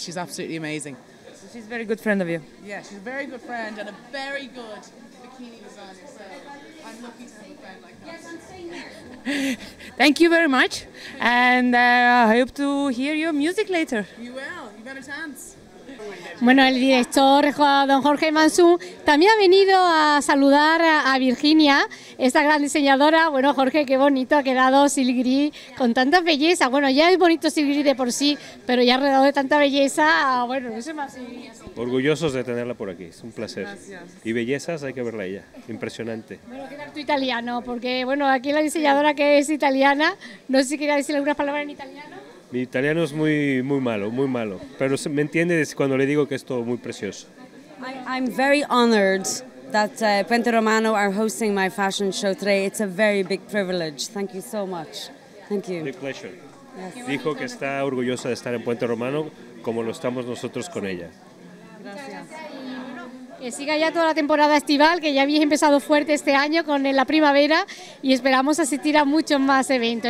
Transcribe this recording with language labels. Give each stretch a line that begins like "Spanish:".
English: She's absolutely amazing. She's a very good friend of you. Yeah, she's a very good friend and a very good bikini designer, so I'm lucky to have a friend like that. Yes, I'm staying here. Thank you very much, and I hope to hear your music later. You will. You better dance.
Spanish: Bueno, el director, don Jorge Mansú, también ha venido a saludar a Virginia, esta gran diseñadora. Bueno, Jorge, qué bonito ha quedado Silgri con tanta belleza. Bueno, ya es bonito Silgri de por sí, pero ya rodeado de tanta belleza, bueno, no sé más. Orgullosos de tenerla por aquí, es un placer. Gracias. Y bellezas, hay que verla ella, impresionante. Bueno, ¿qué tal tu italiano? Porque, bueno, aquí la diseñadora que es italiana, no sé si quería decir algunas palabras en italiano. Mi italiano es muy muy malo, pero me entiende cuando le digo que es todo muy precioso.
English: I'm very honored that Puente Romano are hosting my fashion show today. It's a very big privilege. Thank you so much. Thank you. My pleasure. Yes.
Spanish: Dijo que está orgullosa de estar en Puente Romano como lo estamos nosotros con ella. Gracias. Que siga ya toda la temporada estival, que ya habéis empezado fuerte este año con la primavera y esperamos asistir a muchos más eventos.